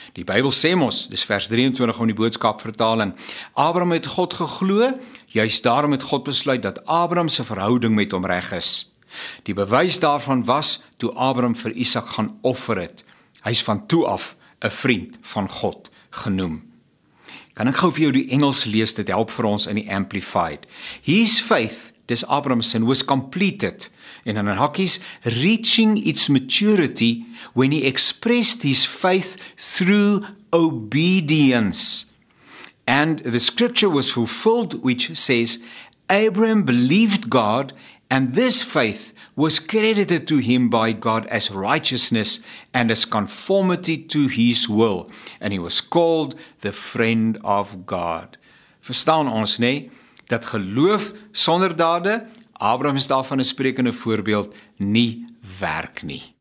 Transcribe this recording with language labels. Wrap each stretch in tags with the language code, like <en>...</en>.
<af>Die Bybel sê ons, dis vers 23 van die boodskapvertaling, Abraham het God geglo, juist daarom het God besluit dat Abraham se verhouding met hom reg is. Die bewys daarvan was toe Abraham vir Isak gaan offer het. Hy is van toe af 'n vriend van God genoem. Kan ek gou vir jou die Engels lees, dit help vir ons in die Amplified.</af> <en>His faith,</en> <af>dis Abraham's sin,</af> <en>was completed.</en> <af>En in hakkies,</af> <en>reaching its maturity when he expressed his faith through obedience. And the scripture was fulfilled which says, Abraham believed God and this faith was credited to him by God as righteousness and as conformity to his will. And he was called the friend of God.</en> <af>Verstaan ons, nee, dat geloof sonder dade, Abraham is daarvan 'n sprekende voorbeeld, nie werk nie.</af>